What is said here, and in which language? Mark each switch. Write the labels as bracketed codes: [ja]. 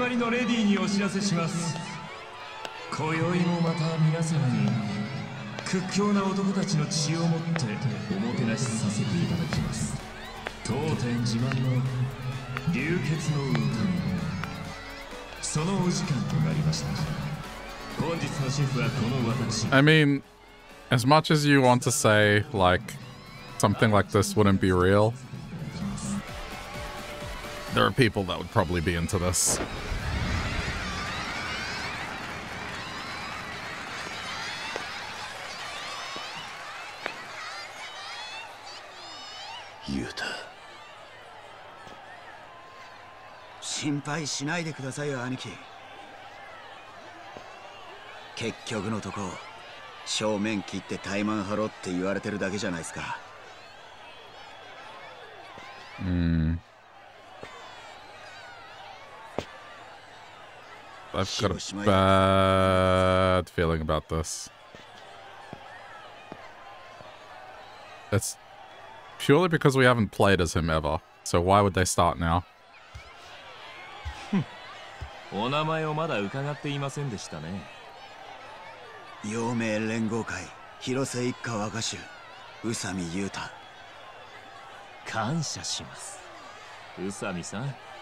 [ja] レディーにお知らせします。今宵もまた皆様に屈強な男たちの血を持っておもてなしさせていただきます。当店自慢の流血の歌声、そのお時間となりました。本日のシェフはこの私。 [en] I mean, as much as you want to say like something like this wouldn't be real, there are people that would probably be into this. Yuta. [ja] 心配しないでくださいよ、兄貴。結局のとこ正面切って怠慢張ろうって言われてるだけじゃないですか。うん。 [en] I've got a bad feeling about this. It's purely because we haven't played as him ever. So why would they start now? [ja] お名前をまだ伺っていませんでしたね。陽明連合会広瀬一家若衆宇佐美優太。感謝します。宇佐美さん。